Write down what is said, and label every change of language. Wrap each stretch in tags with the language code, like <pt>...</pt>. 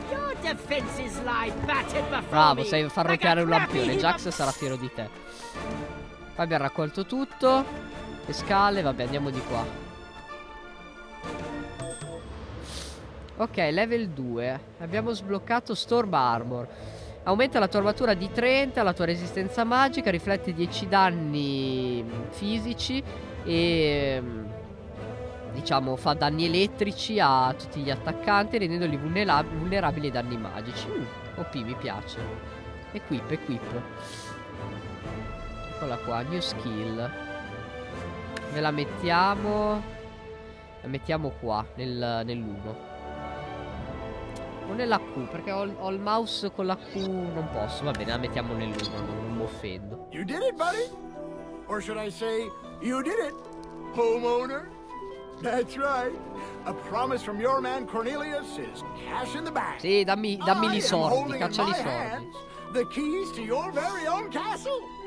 <en>Your defenses lie battered before.</en> <it>Bravo, me. Sei far roccare un lampione. Jax sarà fiero di te. Poi abbiamo raccolto tutto. Le scale, vabbè, andiamo di qua. Ok, level 2. Abbiamo sbloccato Storm Armor. Aumenta la tua armatura di 30, la tua resistenza magica, riflette 10 danni fisici e, diciamo, fa danni elettrici a tutti gli attaccanti, rendendoli vulnerabili ai danni magici. OP, mi piace. Equip. Eccola qua, new skill. Ve la mettiamo. La mettiamo qua, nell'uno. O nella Q, perché ho il mouse con la Q. Non posso. Va bene, la mettiamo nell'uno, non mi offendo.</it> <en>You did it, buddy! Or should I say, you did it, homeowner? That's right. A promise from your man Cornelius is cash in the bag.</en> <it>Sì, dammi gli soldi, caccia gli soldi.</it> <en>The keys to your very own castle!</en>